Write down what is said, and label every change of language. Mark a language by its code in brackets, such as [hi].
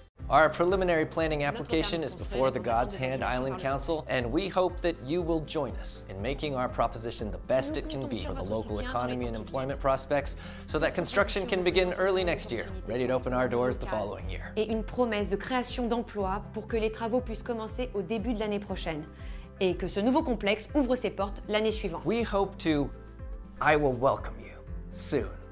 [en] Our preliminary planning application is before the God's Hand Island Council, and we hope that you will join us in making our proposition the best it can be for the local economy and employment prospects, so that construction can begin early next year, ready to open our doors the following year. [fr] Et une promesse de création d'emplois pour que les travaux puissent commencer au début de l'année prochaine, et que ce nouveau complexe ouvre ses portes l'année suivante. [en] We hope to, I will welcome you soon.